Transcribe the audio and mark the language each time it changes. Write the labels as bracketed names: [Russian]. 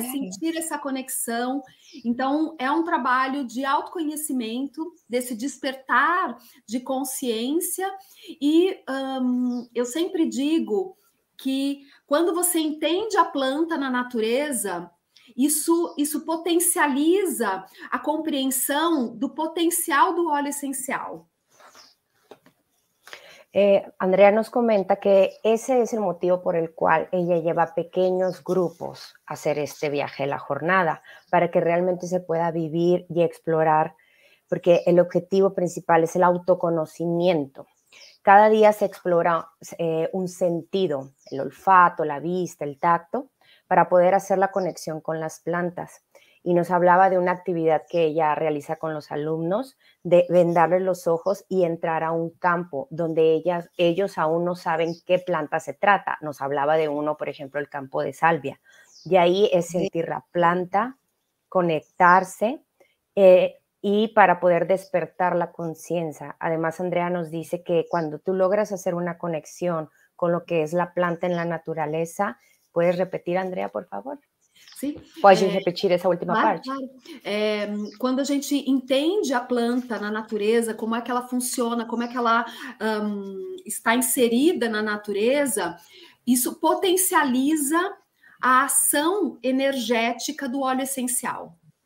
[Portuguese] Sentir essa conexão. Então, é um trabalho de autoconhecimento, desse despertar de consciência. E eu sempre digo que quando você entende a planta na natureza, isso potencializa a compreensão do potencial do óleo essencial. [Spanish] Andrea nos comenta que ese es el motivo por el cual ella lleva pequeños grupos a hacer este viaje, la jornada, para que realmente se pueda vivir y explorar, porque el objetivo principal es el autoconocimiento. Cada día se explora un sentido, el olfato, la vista, el tacto, para poder hacer la conexión con las plantas. Y nos hablaba de una actividad que ella realiza con los alumnos, de vendarles los ojos y entrar a un campo donde ellos aún no saben qué planta se trata. Nos hablaba de uno, por ejemplo, el campo de salvia. Y ahí es sentir la planta, conectarse, y para poder despertar la conciencia. Además, Andrea nos dice que cuando tú logras hacer una conexión con lo que es la planta en la naturaleza, ¿puedes repetir, Andrea, por favor? [Portuguese] Sim. Pode repetir essa última parte? Claro. Quando a gente entende a planta na natureza, como é que ela funciona, como é que ela está inserida na natureza, isso potencializa a ação energética do óleo essencial.